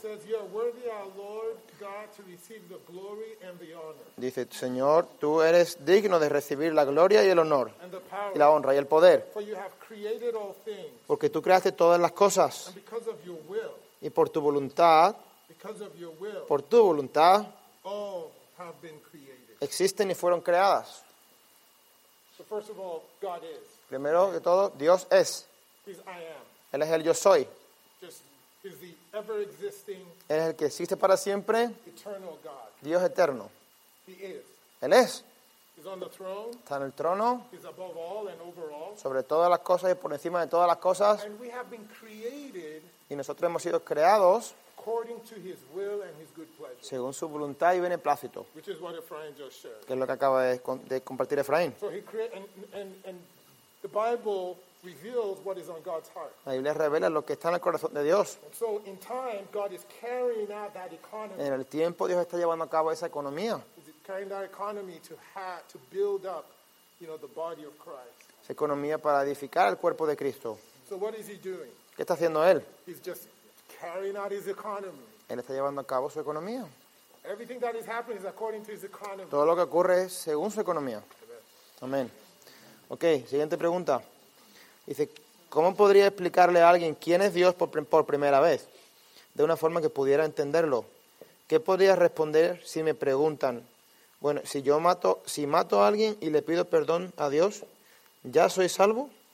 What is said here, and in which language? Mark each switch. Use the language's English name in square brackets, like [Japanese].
[English] Says, "You are worthy, our Lord God, to receive the glory and the honor." [Spanish] Dice, Señor, tú eres digno de recibir la gloria y el honor [English] and the power, [Spanish] y la honra y el poder. [English] For you have created all things. [Spanish] Porque tú creaste todas las cosas. [English] And because of your will. [Spanish] Y por tu voluntad. [English] Because of your will. [Spanish] Por tu voluntad. [English] All have been created. [Spanish] Existen y fueron creadas. [English] First of all, God is. [Spanish] Primero de todo, Dios es. [English] He's I am. [Spanish] Él es el yo soy. [English] Just, he's the ever existing, [Spanish] Él es el que existe para siempre. [English] Eternal God. [Spanish] Dios eterno. [English] He is. [Spanish] Él es. [English] He's on the throne. [Spanish] Está en el trono. [English] He's above all and over all. [Spanish] Sobre todas las cosas y por encima de todas las cosas. [English] And we have been created, [Spanish] y nosotros hemos sido creados [English] according to his will and his good pleasure. [Spanish] Según su voluntad y beneplácito, [English] which is what Ephraim just shared. [Spanish] Que es lo que acaba de compartir Efraín. [English] So he created, and the Bible reveals what is on God's heart. [Spanish] La Biblia revela lo que está en el corazón de Dios. [English] And so in time, God is carrying out that economy. [Spanish] En el tiempo, Dios está llevando a cabo esa economía. [English] He's carrying that economy to build up, you know, the body of Christ. [Spanish] Esa economía para edificar el cuerpo de Cristo. [English] So what is he doing? [Spanish] ¿Qué está haciendo él? [English] He's just carrying out his economy. [Spanish] Él está llevando a cabo su economía. [English] Everything that is happening is according to his economy. [Spanish] Todo lo que ocurre es según su economía. Amén. Ok, siguiente pregunta. Dice, ¿cómo podría explicarle a alguien quién es Dios por primera vez? De una forma que pudiera entenderlo. ¿Qué podría responder si me preguntan? Bueno, si mato a alguien y le pido perdón a Dios, ¿ya soy salvo?